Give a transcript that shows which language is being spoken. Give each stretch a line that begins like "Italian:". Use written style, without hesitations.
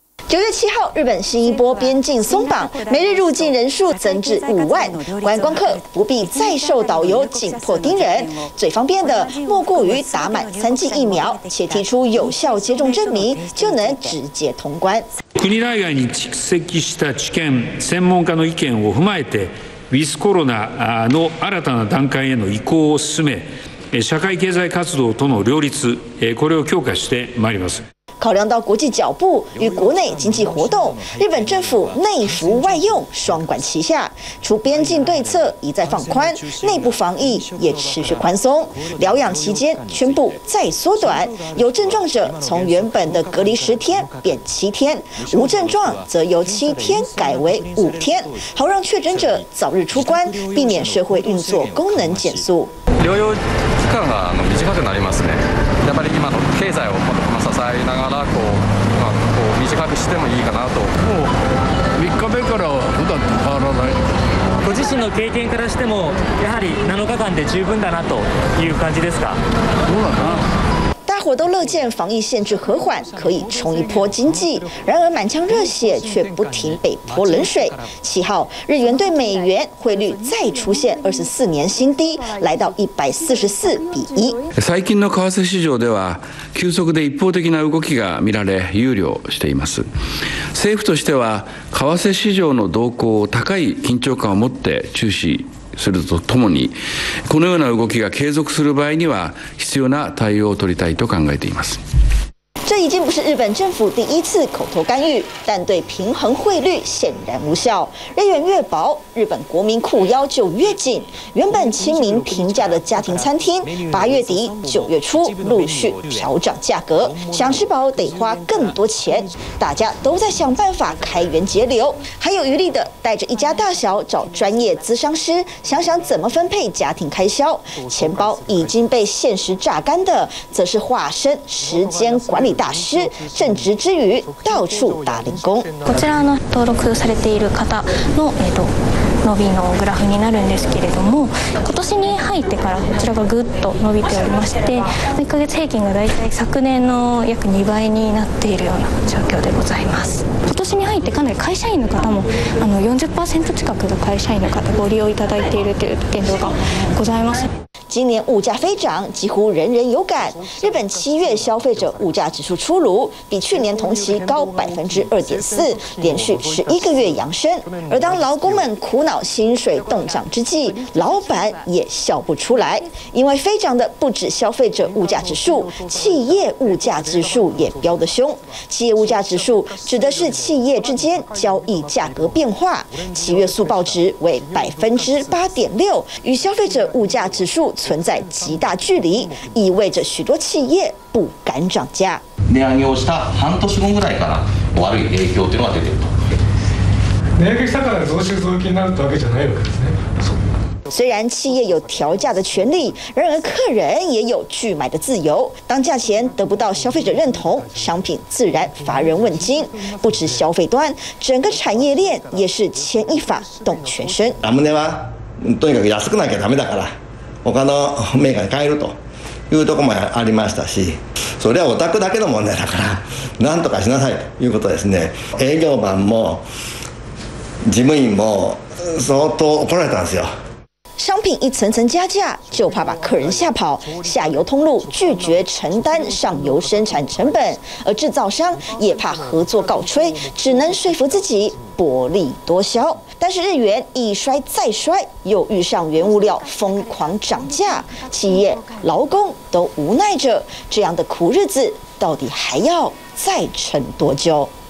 Chinese: 9月7号，日本新一波边境松绑，每日入境人数增至50,000，观光客不必再受导游紧迫盯人，最方便的莫过于打满3剂疫苗，且提出有效接种证明，就能直接通关。
Japanese: 国内外に蓄積した知見、専門家の意見を踏まえて、ウィズコロナの新たな段階への移行を進め、社会経済活動との両立、これを強化してまいります。
Chinese: 考量到国际脚步与国内经济活动，日本政府内服外用双管齐下，除边境对策一再放宽，内部防疫也持续宽松，疗养期间全部再缩短，有症状者从原本的隔离10天变7天，无症状则由7天改为5天，好让确诊者早日出关，避免社会运作功能减速。
Japanese: 療養期間が短くなりますね。やっぱり今の経済を支えながらこう、まあ、こう短くしてもいいかなと。もう3日目からは普段と変わらない。ご自身の経験からしてもやはり7日間で十分だなという感じですか。そうだな。
Chinese: 大伙都乐见防疫限制和缓，可以冲一波经济。然而，满腔热血却不停被泼冷水。七号，日元对美元汇率再出现24年新低，来到144:1。
Japanese: 最近の為替市場では、急速で一方的な動きが見られ、憂慮しています。政府としては、為替市場の動向を高い緊張感を持って注視。するとともに、このような動きが継続する場合には必要な対応を取りたいと考えています。
Chinese: 这已经不是日本政府第一次口头干预，但对平衡汇率显然无效。日元越薄，日本国民裤腰就越紧。原本亲民平价的家庭餐厅，8月底9月初陆续调涨价格，想吃饱得花更多钱。大家都在想办法开源节流，还有余力的带着一家大小找专业咨商师，想想怎么分配家庭开销。钱包已经被现实榨干的，则是化身时间管理大师，正职之余到处打零工。
Japanese: こちらの登録されている方の伸びのグラフになるんですけれども、今年に入ってからこちらがぐっと伸びておりまして、1ヶ月平均がだいたい昨年の約2倍になっているような状況でございます。今年に入ってかなり会社員の方も40% 近くの会社員の方ご利用いただいているという現状がございます。
Chinese: 今年物价飞涨，几乎人人有感。日本七月消费者物价指数出炉，比去年同期高2.4%，连续11个月扬升。而当劳工们苦恼薪水冻涨之际，老板也笑不出来，因为飞涨的不止消费者物价指数，企业物价指数也飙得凶。企业物价指数指的是企业之间交易价格变化，七月速报值为8.6%，与消费者物价指数存在极大距离，意味着许多企业不敢涨价。
Japanese: 値上げをした半年後ぐらいから悪い影響というのが出てると。値上げしたから増収増益になるってわけじゃないわけですね。
Chinese: 虽然企业有调价的权利，然而客人也有拒买的自由。当价钱得不到消费者认同，商品自然乏人问津。不止消费端，整个产业链也是牵一发动全身。
Japanese: ラムネはとにかく安くなきゃダメだから。他のメーカーに変えるというところもありましたし、それはオタクだけの問題だから、なんとかしなさいということですね。営業マンも事務員も相当怒られたんですよ。
Chinese: 商品一层层加价，就怕把客人吓跑。下游通路拒绝承担上游生产成本，而制造商也怕合作告吹，只能说服自己薄利多销。但是日元一衰再衰，又遇上原物料疯狂涨价，企业、劳工都无奈着，这样的苦日子到底还要再撑多久？